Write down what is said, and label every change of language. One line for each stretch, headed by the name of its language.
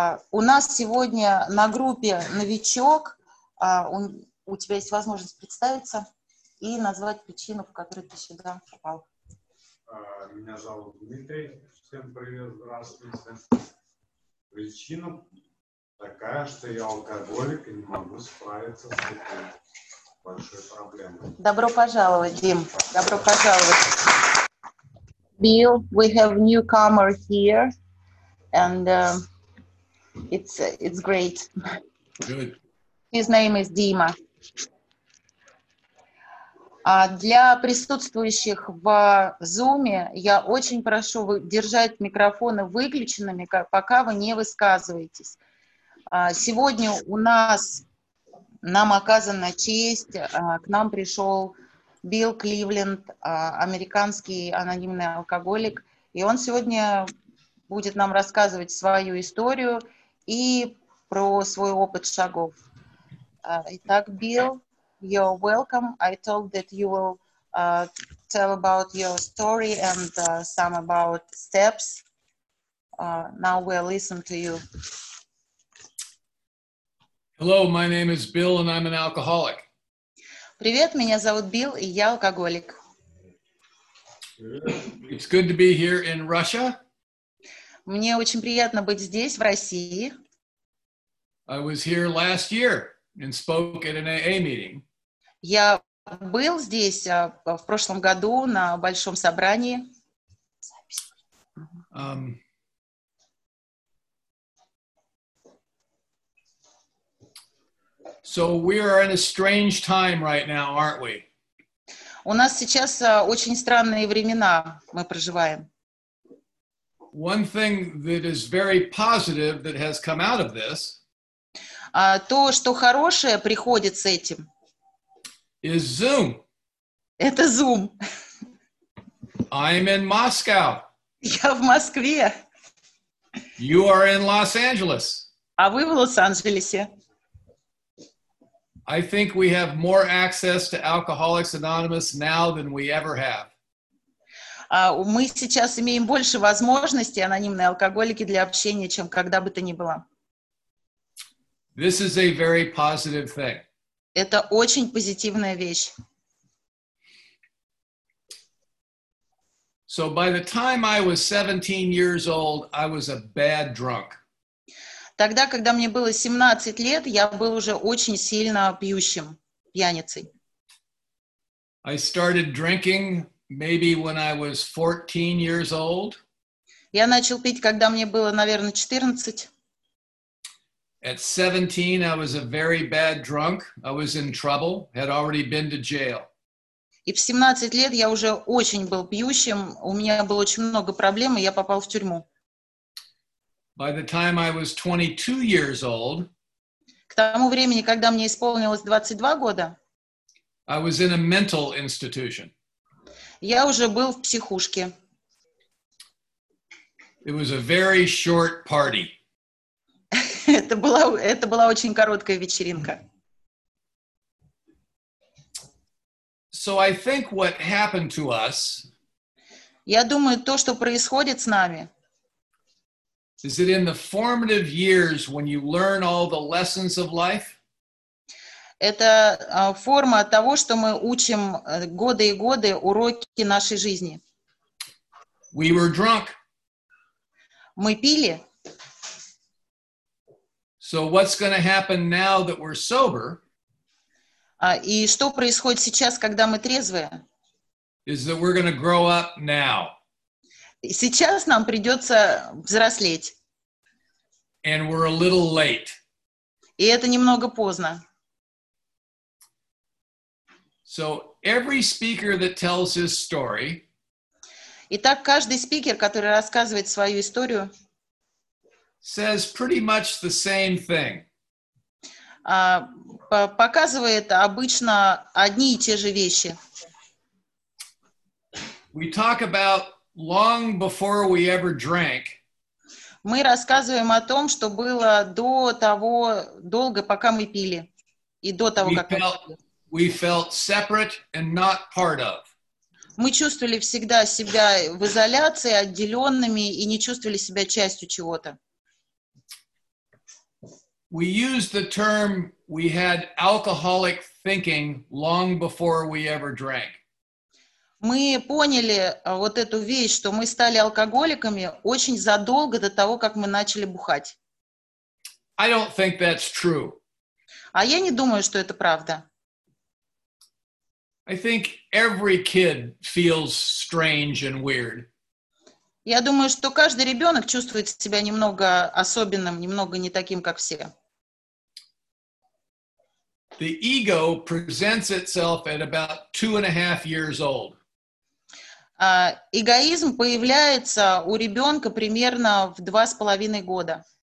Russian: У нас сегодня на группе новичок. У тебя есть возможность представиться и назвать причину, по которой ты сюда попал. Меня зовут Дмитрий. Всем привет, здравствуйте. Причина такая, что я алкоголик и не могу справиться с этим. Добро пожаловать, Дим. Добро пожаловать.
English: Bill, we have newcomer here, and it's great. Good. His name is Dima.
Russian: Для присутствующих в Zoom я очень прошу держать микрофоны выключенными, пока вы не высказываетесь. Сегодня у нас нам оказана честь, к нам пришел Билл Кливленд, американский анонимный алкоголик, и он сегодня будет нам рассказывать свою историю и про свой опыт шагов. Итак,
English: Билл, you're welcome. I told that you will tell about your story and some about steps. Now we'll listen to you. Hello, my name is Bill, and I'm an alcoholic.
Russian: Привет, меня зовут Билл, и я алкоголик.
English: It's good to be here in Russia.
Russian: Мне очень приятно быть здесь, в России.
English: I was here last year and spoke at an AA meeting.
Russian: Я был здесь в прошлом году на большом собрании.
English: So we are in a strange time right now, aren't we?
Russian: У нас сейчас очень странные времена мы проживаем.
English: One thing that is very positive that has come out of this.
Russian: То, что хорошее приходит с этим.
English: Is Zoom.
Russian: Это Zoom.
English: I'm in Moscow.
Russian: Я в Москве.
English: You are in Los Angeles.
Russian: А вы в Лос-Анджелесе.
English: I think we have more access to Alcoholics Anonymous now than we ever have.
Russian: Мы сейчас имеем больше возможностей, анонимные алкоголики, для общения, чем когда бы то ни было.
English: This is a very positive thing.
Russian: Это очень позитивная вещь.
English: So by the time I was 17 years old, I was a bad drunk.
Russian: Тогда, когда мне было 17 лет, я был уже очень сильно пьющим, пьяницей.
English: I started drinking maybe when I was 14 years old.
Russian: Я начал пить, когда мне было, наверное, 14.
English: At 17, I was a very bad drunk. I was in trouble, had already been to jail.
Russian: И в 17 лет я уже очень был пьющим, у меня было очень много проблем, и я попал в тюрьму.
English: By the time I was 22 years old,
Russian: к тому времени, когда мне исполнилось 22 года,
English: I was in a mental institution.
Russian: Я уже был в психушке.
English: It was a very short party.
Russian: это была очень короткая вечеринка.
English: So I think what happened to us,
Russian: я думаю, то, что происходит с нами,
English: is it in the formative years when you learn all the lessons of life?
Russian: Это форма того, что мы учим годы и годы уроки нашей жизни.
English: We were drunk.
Russian: Мы пили.
English: So what's going to happen now that we're sober?
Russian: И что происходит сейчас, когда мы трезвые?
English: Is that we're going to grow up now.
Russian: Сейчас нам придется взрослеть.
English: And we're a little late.
Russian: И это немного поздно.
English: So every speaker that tells his story,
Russian: итак, каждый спикер, который рассказывает свою историю,
English: says pretty much the same thing.
Russian: Показывает обычно одни и те же вещи.
English: We talk about long before we ever drank.
Russian: Мы рассказываем о том, что было до того, долго, пока мы пили. И до того, как мы пили.
English: We felt separate and not part of.
Russian: Мы чувствовали всегда себя в изоляции, отделенными, и не чувствовали себя частью чего-то.
English: We used the term we had alcoholic thinking long before we ever drank.
Russian: Мы поняли вот эту вещь, что мы стали алкоголиками очень задолго до того, как мы начали бухать.
English: I don't think that's true.
Russian: А я не думаю, что это правда.
English: I think every kid feels strange and weird.
Russian: Я думаю, что каждый ребенок чувствует себя немного особенным, немного не таким, как все.
English: The ego presents itself at about 2.5 years old.
Russian: Эгоизм появляется у ребенка примерно в 2.5 года.